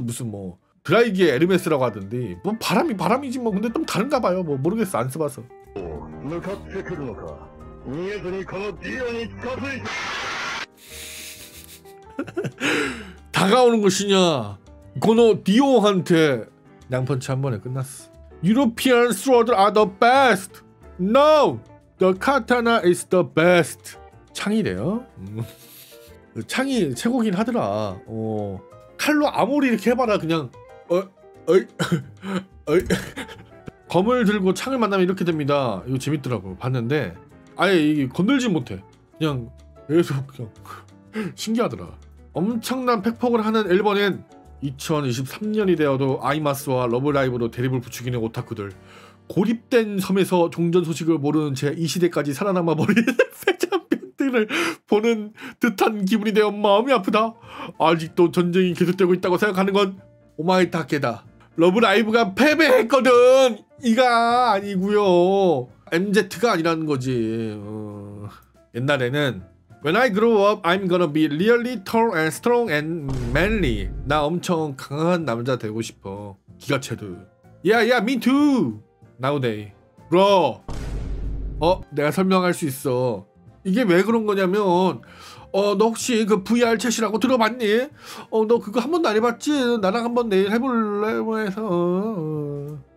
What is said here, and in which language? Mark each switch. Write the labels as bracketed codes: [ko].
[ko] 무슨 뭐 드라이기에 에르메스라고 하던데 뭐 바람이지 뭐. 근데 좀 다른가 봐요. 뭐 모르겠어. 안 써봐서. 다가오는 것이냐 고노 디오한테. 양펀치 한 번에 끝났어. [en] European swords are the best. No, the katana is the best. [ko] 창이래요? 창이 최고긴 하더라. 칼로 아무리 이렇게 해봐라 그냥 검을 들고 창을 만나면 이렇게 됩니다. 이거 재밌더라고 봤는데 아예 건들지 못해. 그냥 계속 그냥 신기하더라. 엄청난 팩폭을 하는 일본엔 2023년이 되어도 아이마스와 러브라이브로 대립을 부추기는 오타쿠들. 고립된 섬에서 종전 소식을 모르는 채 이 시대까지 살아남아 버리는 패잔병들을 보는 듯한 기분이 되어 마음이 아프다. 아직도 전쟁이 계속되고 있다고 생각하는 건 오마이타케다. 러브라이브가 패배했거든. 이가 아니고요. MZ가 아니라는 거지. 옛날에는 [en] When I grow up, I'm gonna be really tall and strong and manly. [ko] 나 엄청 강한 남자 되고 싶어. 기가 차도. [en] Yeah, me too. Nowadays. Bro. [ko] 내가 설명할 수 있어. 이게 왜 그런 거냐면 너 혹시 그 VR 챗이라고 들어봤니? 너 그거 한 번도 안 해봤지? 나랑 한번 내일 해볼래고 해서.